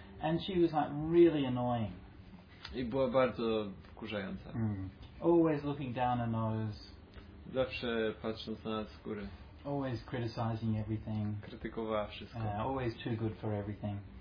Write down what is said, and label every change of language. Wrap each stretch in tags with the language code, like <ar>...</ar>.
<en>And she was like really annoying.</en> <pl>I była bardzo wkurzająca. Mm.</pl> <en>Always looking down her nose.</en> <pl>Zawsze patrząc na nas z góry.</pl> <en>Always criticizing everything.</en> <pl>Krytykowała wszystko.</pl> <en>Always too good for everything.</en>